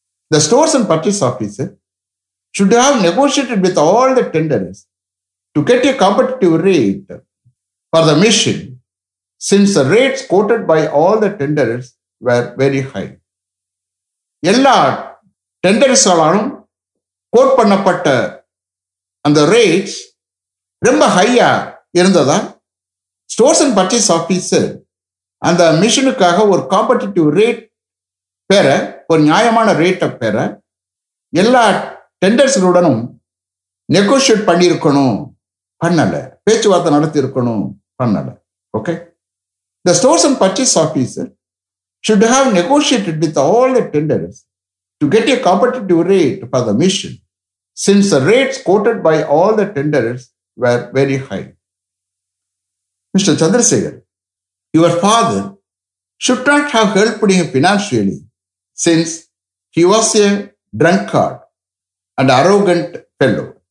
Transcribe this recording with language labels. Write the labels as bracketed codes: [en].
[en] The stores and purchase office should have negotiated with all the tenderers to get a competitive rate for the machine, since the rates quoted by all the tenderers were very high. [ta] எல்லா டெண்டர்ஸாலும் code பண்ணப்பட்ட அந்த rates ரொம்ப ஹையா இருந்ததா stores and purchase officer அந்த மிஷினுக்காக ஒரு competitive rate பெற, ஒரு நியாயமான ரேட்டை பெற எல்லா டெண்டர்ஸ்களுடனும் நெகோஷியேட் பண்ணியிருக்கணும் பண்ணலை, பேச்சுவார்த்தை நடத்தியிருக்கணும் பண்ணலை. [en] Okay, the stores and purchase officer should have negotiated with all the tenderers to get a competitive rate for the machine, since the rates quoted by all the tenderers were very high. Mr. Chandrasekhar, your father should not have helped him financially, since he was a drunkard and arrogant fellow.